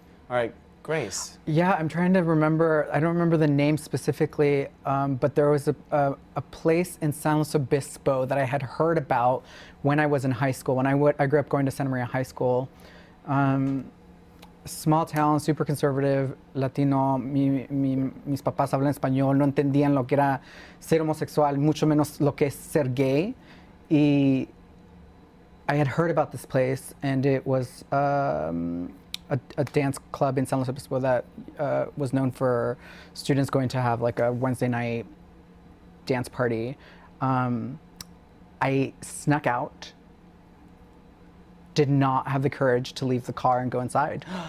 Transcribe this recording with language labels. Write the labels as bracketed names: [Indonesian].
[English] All right, Grace. Yeah, I'm trying to remember. I don't remember the name specifically, but there was a place in San Luis Obispo that I had heard about when I was in high school. When I grew up going to Santa Maria High School. Small town, super conservative, Latino. [Spanish] Mis papás hablan español, no entendían lo que era ser homosexual, mucho menos lo que es ser gay. [English] Y I had heard about this place, and it was a dance club in San Luis Obispo that was known for students going to have like a Wednesday night dance party. I snuck out, did not have the courage to leave the car and go inside.